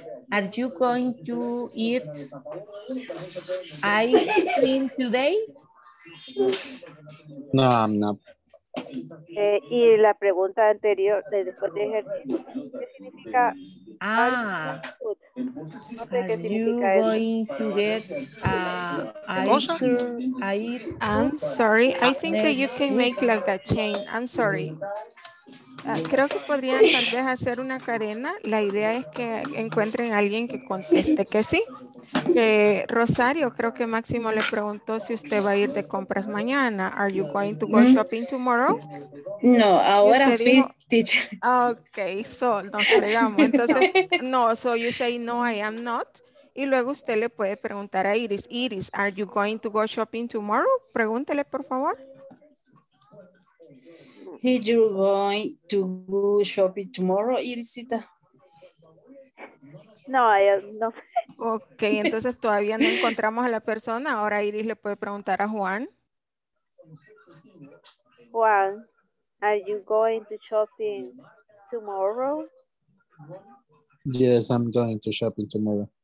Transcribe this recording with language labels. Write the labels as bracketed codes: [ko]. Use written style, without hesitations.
[en] Are you going to eat ice cream today? No, I'm not. [es] Y la pregunta anterior, de después de ejercicio, ¿qué significa? Ah, no sé qué significa. [en] Are you going to get ice cream? I'm sorry, I think that you can make like a chain. I'm sorry. [es] Creo que podrían tal vez hacer una cadena. La idea es que encuentren a alguien que conteste que sí. Rosario, creo que Máximo le preguntó si usted va a ir de compras mañana. [en] Are you going to go shopping tomorrow? [es] No, ahora fui, teacher. [en] Ok, so [es] nos fregamos. Entonces, no, [en] so you say no, I am not. [es] Y luego usted le puede preguntar a Iris. [en] Iris, are you going to go shopping tomorrow? [es] Pregúntele, por favor. [en] Is you going to go shopping tomorrow, Irisita? No, I am not. [es] Ok, entonces todavía no encontramos a la persona. Ahora Iris le puede preguntar a Juan. [en] Juan, are you going to shopping tomorrow? Yes, I'm going to shopping tomorrow.